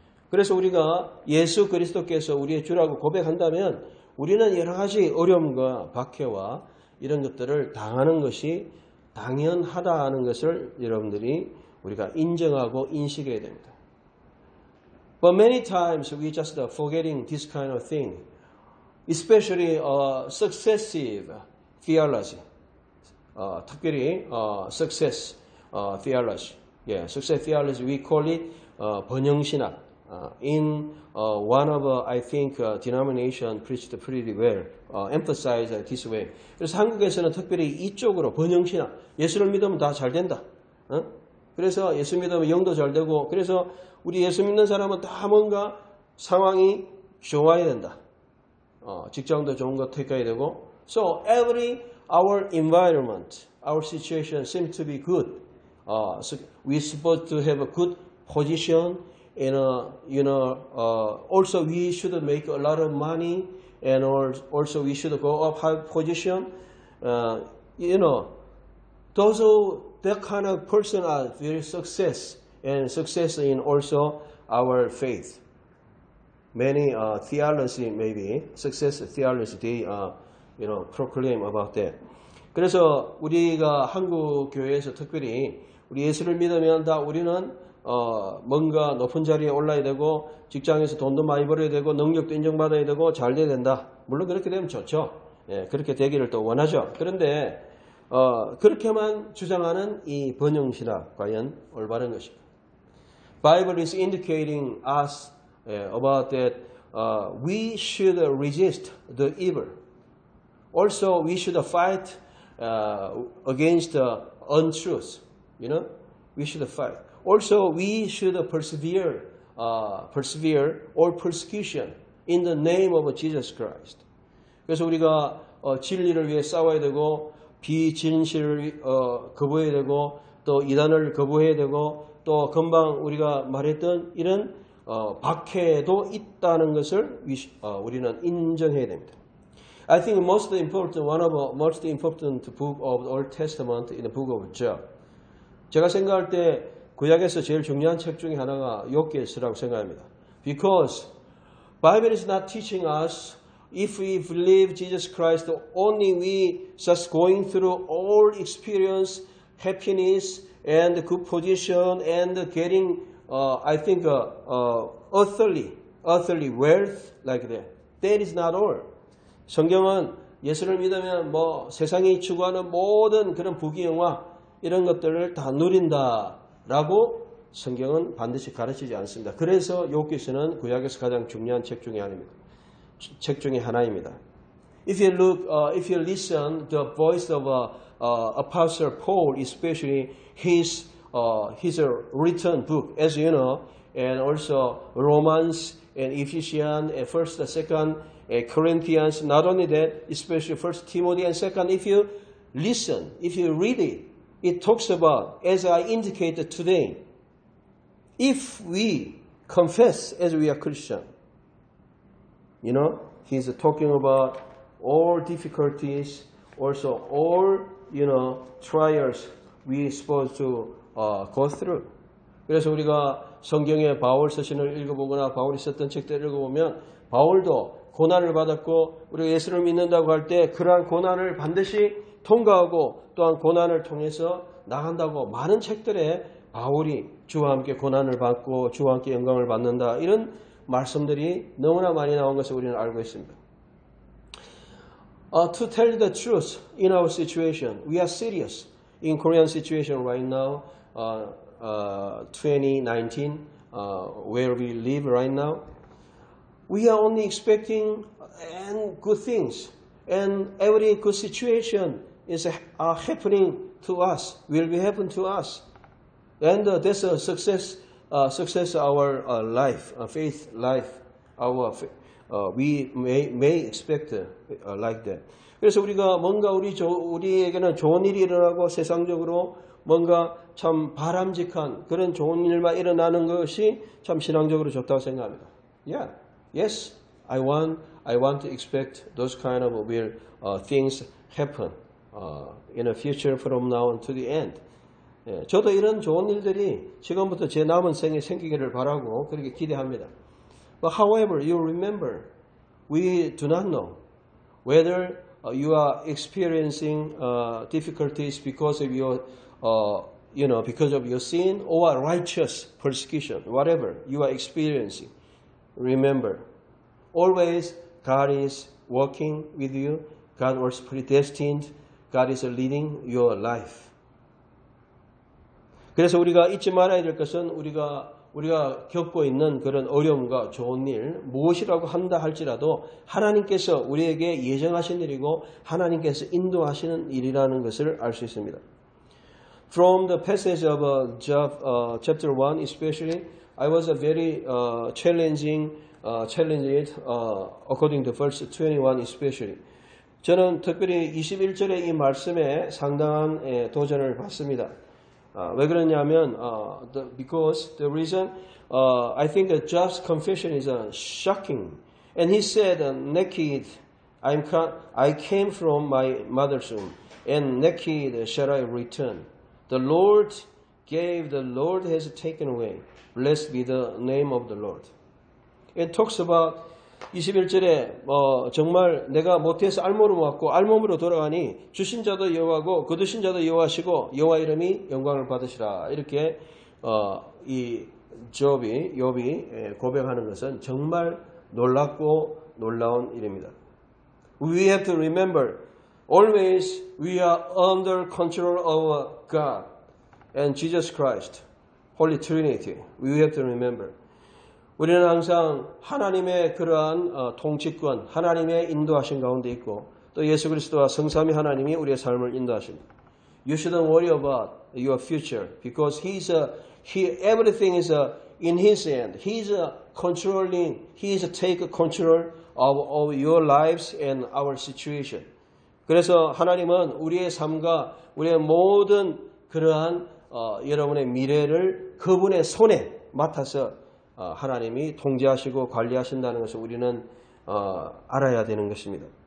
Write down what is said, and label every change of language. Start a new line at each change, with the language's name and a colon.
Korean: 그래서 우리가 예수 그리스도께서 우리의 주라고 고백한다면 우리는 여러 가지 어려움과 박해와 이런 것들을 당하는 것이 당연하다는 것을 여러분들이 우리가 인정하고 인식해야 됩니다.
English: But many times we just forgetting this kind of thing, especially successive theology.
Korean: 특별히
English: success theology. Yeah, success theology, we call it 번영신학. In one of I think denomination preached pretty well, emphasized this way.
Korean: 그래서 한국에서는 특별히 이쪽으로 번영신앙, 예수를 믿으면 다 잘 된다. 그래서 예수 믿으면 영도 잘 되고, 그래서 우리 예수 믿는 사람은 다 뭔가 상황이 좋아야 된다. 직장도 좋은 거 택해야 되고.
English: So every our environment, our situation seems to be good. So we supposed to have a good position. In a, you know, also we should make a lot of money, and also we should go up high position. You know, those that kind of person are very success and success in also our faith. Many theology maybe success theology they you know proclaim about that.
Korean: 그래서 우리가 한국 교회에서 특별히 우리 예수를 믿으면 다 우리는 뭔가 높은 자리에 올라야 되고 직장에서 돈도 많이 벌어야 되고 능력도 인정받아야 되고 잘 돼야 된다. 물론 그렇게 되면 좋죠. 예, 그렇게 되기를 또 원하죠. 그런데 그렇게만 주장하는 이 번영신학 과연 올바른 것인가?
English: Bible is indicating us about that we should resist the evil. Also we should fight against the untruth. You know? We should fight. Also, we should persevere all persecution in the name of Jesus Christ.
Korean: 그래서 우리가 진리를 위해 싸워야 되고 비진실을 거부해야 되고 또 이단을 거부해야 되고 또 금방 우리가 말했던 이런 박해도 있다는 것을 우리는 인정해야 됩니다.
English: I think most important one of most important book of Old Testament in the book of Job.
Korean: 제가 생각할 때 구약에서 제일 중요한 책 중에 하나가 욥기서라고 생각합니다.
English: Because Bible is not teaching us if we believe Jesus Christ only we just going through all experience, happiness and good position and getting earthly wealth like that. That is not all.
Korean: 성경은 예수를 믿으면 뭐 세상이 추구하는 모든 그런 부귀영화 이런 것들을 다 누린다. 라고 성경은 반드시 가르치지 않습니다. 그래서 욥기서는 구약에서 가장 중요한 책 중에 하나입니다. 책 중에 하나입니다.
English: If you look, if you listen the voice of Apostle Paul, especially his written book, as you know, and also Romans and Ephesians and First, Second Corinthians. Not only that, especially First Timothy and Second. If you listen, if you read it. It talks about, as I indicated today, if we confess as we are Christian, you know, he's talking about all difficulties, also all, you know, trials we are supposed to go through.
Korean: 그래서 우리가 성경에 바울 서신을 읽어보거나 바울이 썼던 책들을 읽어보면 바울도 고난을 받았고 우리가 예수를 믿는다고 할 때 그러한 고난을 반드시 통과하고 또한 고난을 통해서 나간다고 많은 책들에 바울이 주와 함께 고난을 받고 주와 함께 영광을 받는다 이런 말씀들이 너무나 많이 나온 것을 우리는 알고 있습니다.
English: To tell the truth in our situation, we are serious in Korean situation right now, 2019, where we live right now. We are only expecting and good things and every good situation is happening to us, will be happen to us. And that's a success, success our life, faith life, our we may expect like that.
Korean: 그래서 우리가 뭔가 우리에게는 좋은 일이 일어나고 세상적으로 뭔가 참 바람직한 그런 좋은 일만 일어나는 것이 참 신앙적으로 좋다고 생각합니다.
English: Yeah. Yes, I want to expect those kind of will things happen in the future from now to the end.
Korean: 예, 저도 이런 좋은 일들이 지금부터 제 남은 생에 생기기를 바라고 그렇게 기대합니다.
English: But however, you remember, we do not know whether you are experiencing difficulties because of your you know because of your sin or righteous persecution, whatever you are experiencing. Remember. Always, God is working with you. God was predestined. God is leading your life.
Korean: 그래서 우리가 잊지 말아야 될 것은 우리가 우리가 겪고 있는 그런 어려움과 좋은 일 무엇이라고 한다 할지라도 하나님께서 우리에게 예정하신 일이고 하나님께서 인도하시는 일이라는 것을 알 수 있습니다.
English: From the passage of chapter 1 especially, I was a very challenged according to verse 21 especially.
Korean: 저는 특별히 21절의 이 말씀에 상당한 도전을 받습니다. 왜 그러냐면
English: I think that Job's confession is shocking. And he said, naked I came from my mother's womb, and naked shall I return. The Lord gave, the Lord has taken away. Blessed be the name of the Lord. It talks about
Korean: 21절에 정말 내가 못해서 알몸으로 왔고 알몸으로 돌아가니 주신 자도 여호와고 거두신 자도 여호와시고 여호와 이름이 영광을 받으시라 이렇게 이 욥이 고백하는 것은 정말 놀랍고 놀라운 일입니다.
English: We have to remember always we are under control of God and Jesus Christ, Holy Trinity. We have to remember.
Korean: 우리는 항상 하나님의 그러한 통치권, 하나님의 인도하신 가운데 있고 또 예수 그리스도와 성삼위 하나님이 우리의 삶을 인도하십니다.
English: You shouldn't worry about your future because everything is in His hand. He's controlling, He's take control of your lives and our situation.
Korean: 그래서 하나님은 우리의 삶과 우리의 모든 그러한 여러분의 미래를 그분의 손에 맡아서 하나님이 통제하시고 관리하신다는 것을 우리는 알아야 되는 것입니다.